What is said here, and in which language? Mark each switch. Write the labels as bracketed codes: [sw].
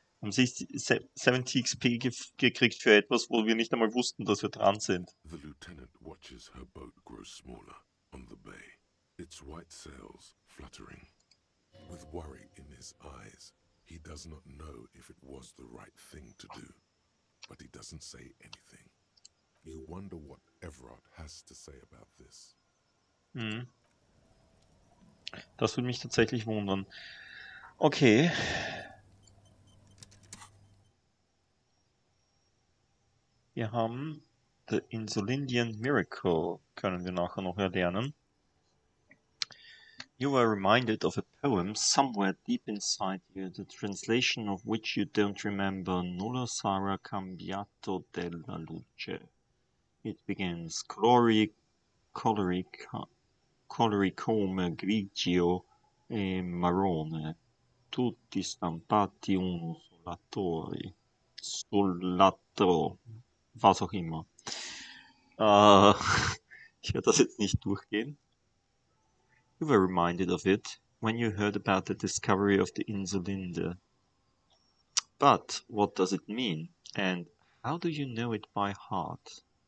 [de] Haben 70 XP gekriegt für etwas, wo wir nicht einmal wussten, dass wir dran sind. [en] The lieutenant watches her boat grow smaller on the bay, its white sails fluttering. With worry in his eyes, he does not know if it was the right thing to do. But he doesn't say anything. You wonder what Evrart has to say about this. [de] Das würde mich tatsächlich wundern. Okay. Wir haben The Insulindian Miracle können wir nachher noch erlernen. [en] You were reminded of a poem somewhere deep inside you, the translation of which you don't remember. [it] Nulla sarà cambiato della luce. [en] It begins, glory, [it] colori, colori come grigio e marrone, tutti stampati uno sull'attore, sull'altro, [de] was auch immer. Ich werde das jetzt nicht durchgehen. [en] You were reminded of it when you heard about the discovery of the Insulinde. But what does it mean? And how do you know it by heart?